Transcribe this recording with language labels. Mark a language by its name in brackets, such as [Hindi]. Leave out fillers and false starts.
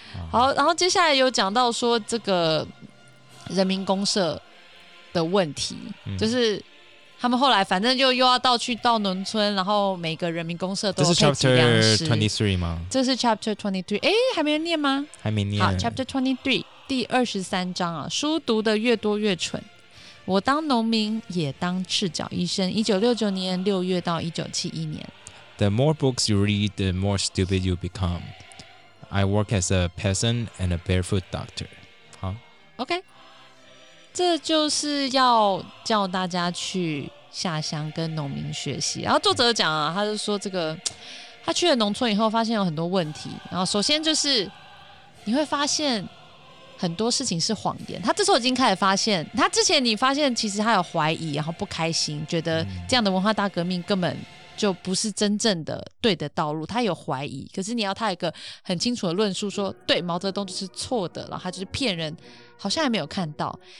[Chinese] 好，然后接下来有讲到说这个人民公社的问题，就是他们后来反正又要到去到农村，然后每个人民公社都有配给粮食。这是 Chapter 23吗？这是 Chapter 23，哎，还没念吗？还没念。好 ，Chapter 23。第23章啊，书读的越多越蠢，我当农民也当赤脚医生，1969年6月到1971年。 [English] The more books you read, the more stupid you become. I work as a peasant and a barefoot doctor. [Chinese] 好 OK， 这就是要叫大家去下乡跟农民学习。然后作者讲啊，他就说这个他去了农村以后发现有很多问题，然后首先就是你会发现很多事情是谎言，他这时候已经开始发现，他之前你发现其实他有怀疑，然后不开心，觉得这样的文化大革命根本就不是真正的对的道路，他有怀疑，可是你要他一个很清楚的论述说对，毛泽东就是错的，然后他就是骗人，好像还没有看到，